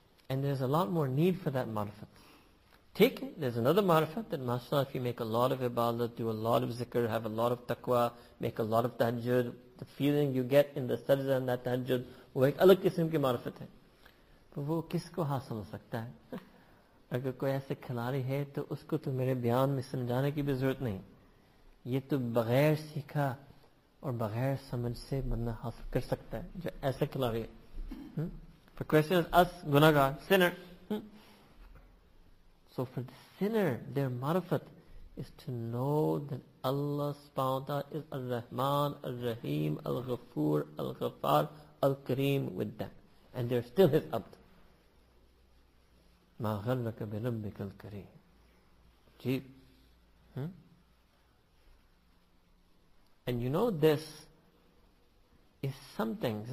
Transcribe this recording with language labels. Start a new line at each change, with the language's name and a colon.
English: And there's a lot more need for that marifat. Take it, there's another marifat that mashallah, if you make a lot of ibadah, do a lot of zikr, have a lot of taqwa, make a lot of tahajjud, the feeling you get in the sajda and that tahajjud,
Urdu: wo ek alag kisim ki marifat hai. تو وہ کس کو حاصل ہو سکتا ہے اگر کوئی ایسے کھلاڑی ہے تو اس کو تو میرے بیان میں سمجھانے کی بھی ضرورت نہیں یہ تو بغیر سیکھا اور بغیر سمجھ سے بندہ حاصل کر سکتا ہے جو ایسے کھلاڑی ہے
English: The question is us, gunagar, sinner. So for the sinner, their marifat is to know that Allah subhanahu wa ta'ala is Ar-Rahman, Ar-Rahim, Al-Ghafoor, Al-Ghafar, Al-Kareem with them. And they're still his abd.
Arabic: مَا غَرَّكَ بِرَبِّكَ الْكَرِيمِ
English: جِي And you know this is something.